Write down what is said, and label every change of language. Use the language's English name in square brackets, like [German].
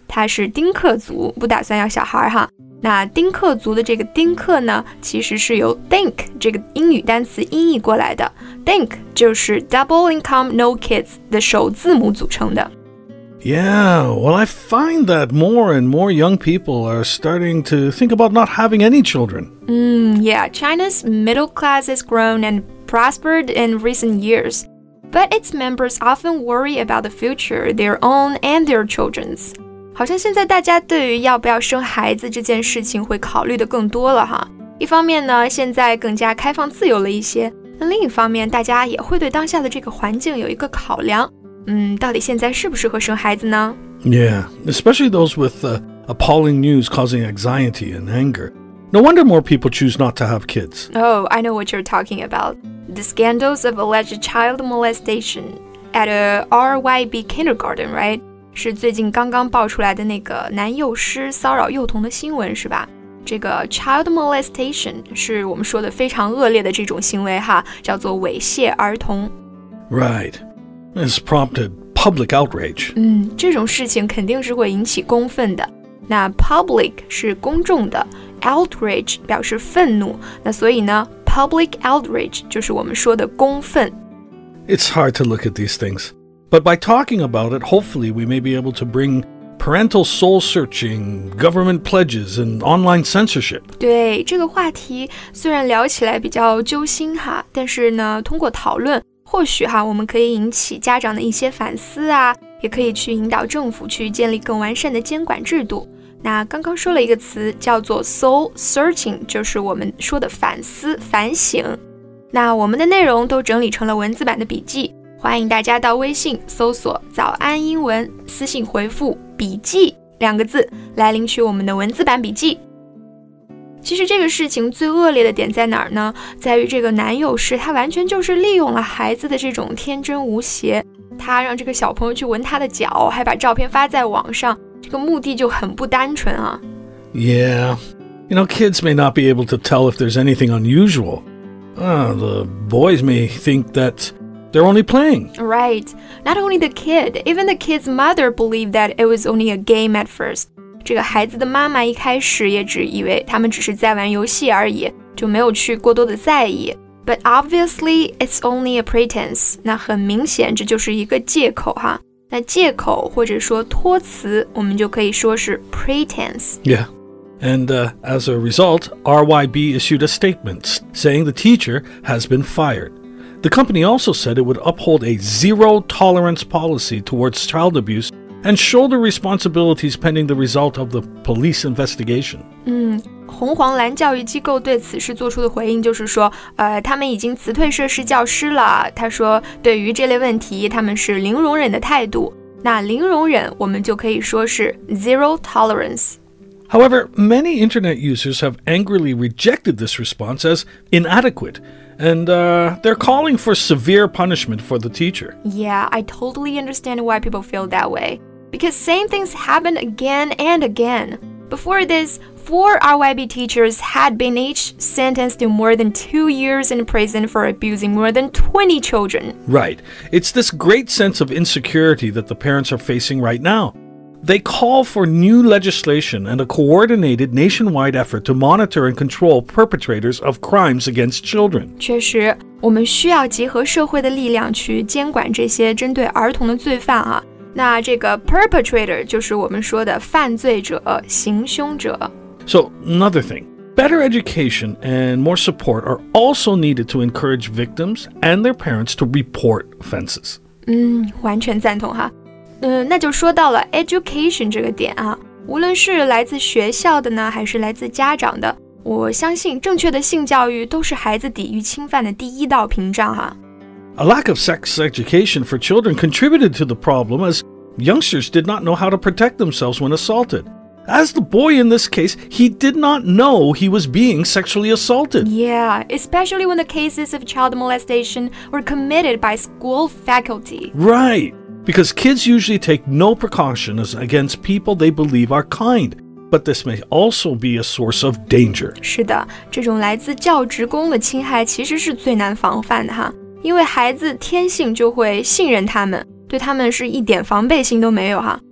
[Chinese] 她是丁克族，不打算要小孩哈。那丁克族的这个丁克呢，其实是由 think 这个英语单词音译过来的。 Think 就是 [English] double income, no kids [Chinese] 的首字母组成的。 [English] Yeah, well, I find that more and more young people are starting to think about not having any children. Yeah, China's middle class has grown and prospered in recent years. But its members often worry about the future, their own and their children's. [Chinese] 好像现在大家对于要不要生孩子这件事情会考虑的更多了哈。一方面呢，现在更加开放自由了一些。那另一方面，大家也会对当下的这个环境有一个考量。到底现在适不适合生孩子呢? [English] Yeah, especially those with appalling news causing anxiety and anger. No wonder more people choose not to have kids. Oh, I know what you're talking about. The scandals of alleged child molestation at a RYB kindergarten, right? [Chinese] 是最近刚刚爆出来的那个男幼师骚扰幼童的新闻是吧? 这个 child molestation 是我们说的非常恶劣的这种行为哈,叫做猥亵儿童。 [English] Right. Has prompted public outrage. [Chinese] 这种事情肯定是会引起公愤的。那 public 是公众的 ,outrage 表示愤怒。那所以呢 ,public outrage 就是我们说的公愤。 [English] It's hard to look at these things. But by talking about it, hopefully we may be able to bring parental soul searching, government pledges, and online censorship. [Chinese] 对,这个话题虽然聊起来比较揪心哈,但是呢,通过讨论或许哈，我们可以引起家长的一些反思啊，也可以去引导政府去建立更完善的监管制度。那刚刚说了一个词叫做 soul searching， 就是我们说的反思、反省。那我们的内容都整理成了文字版的笔记，欢迎大家到微信搜索“早安英文”，私信回复“笔记”两个字来领取我们的文字版笔记。其实这个事情最恶劣的点在哪儿呢？在于这个男友是他完全就是利用了孩子的这种天真无邪，他让这个小朋友去闻他的脚，还把照片发在网上，这个目的就很不单纯啊。 [English] Yeah, you know, kids may not be able to tell if there's anything unusual. The boys may think that they're only playing. Right. Not only the kid, even the kid's mother believed that it was only a game at first. [Chinese] 这个孩子的妈妈一开始也只以为他们只是在玩游戏而已，就没有去过多的在意。 [English] But obviously, it's only a pretense. [Chinese] 那很明显，这就是一个借口哈。那借口或者说托词，我们就可以说是 pretense. [English] Yeah. And as a result, RYB issued a statement saying the teacher has been fired. The company also said it would uphold a zero tolerance policy towards child abuse. And shoulder responsibilities pending the result of the police investigation. [Chinese] 红黄蓝教育机构对此事做出的回应就是说，他们已经辞退涉事教师了。他说，对于这类问题，他们是零容忍的态度。那零容忍，我们就可以说是 zero tolerance. [English] However, many internet users have angrily rejected this response as inadequate. And they're calling for severe punishment for the teacher. Yeah, I totally understand why people feel that way. Because same things happen again and again. Before this, four RYB teachers had been each sentenced to more than 2 years in prison for abusing more than 20 children. Right. It's this great sense of insecurity that the parents are facing right now. They call for new legislation and a coordinated nationwide effort to monitor and control perpetrators of crimes against children. [Chinese] 确实，我们需要集合社会的力量去监管这些针对儿童的罪犯啊。那这个 perpetrator 就是我们说的犯罪者、行凶者。 [English] So, another thing. Better education and more support are also needed to encourage victims and their parents to report offenses. [Chinese] 完全赞同哈。那就说到了 education 这个点啊。无论是来自学校的呢，还是来自家长的，我相信正确的性教育都是孩子抵御侵犯的第一道屏障哈。 [English] A lack of sex education for children contributed to the problem as youngsters did not know how to protect themselves when assaulted. As the boy in this case, he did not know he was being sexually assaulted. Yeah, especially when the cases of child molestation were committed by school faculty. Right, because kids usually take no precautions against people they believe are kind. But this may also be a source of danger. [Chinese] 是的，这种来自教职工的侵害其实是最难防范的哈，因为孩子天性就会信任他们，对他们是一点防备心都没有哈。